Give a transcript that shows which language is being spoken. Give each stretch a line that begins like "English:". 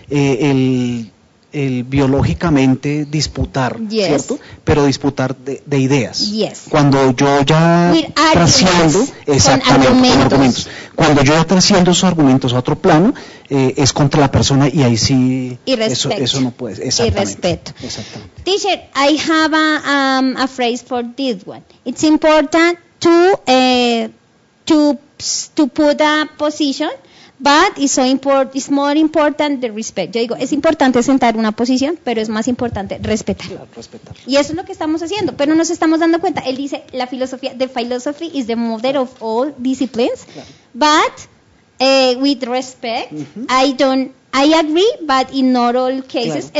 Spanish: el biológicamente disputar,
English: yes.
Spanish: ¿Cierto? Pero disputar de ideas.
English: Yes.
Spanish: Cuando yo ya trasciendo, exactamente, con argumentos. Cuando yo ya trasciendo esos argumentos a otro plano, es contra la persona y ahí sí... Y respeto. Eso no puede ser. Exactamente. Y respeto. Exactamente.
English: Teacher, I have a phrase for this one. It's important to put a position, But it's, so import, it's more important the respect.
Spanish: Yo digo, es importante sentar una posición, pero es más importante respetar. Claro, respetar. Y eso es lo que estamos haciendo, pero nos estamos dando cuenta. Él dice, la filosofía,
English: the philosophy is the mother of all disciplines.
Spanish: Claro.
English: But with respect, uh-huh. I agree, but in not all cases.
Spanish: Claro.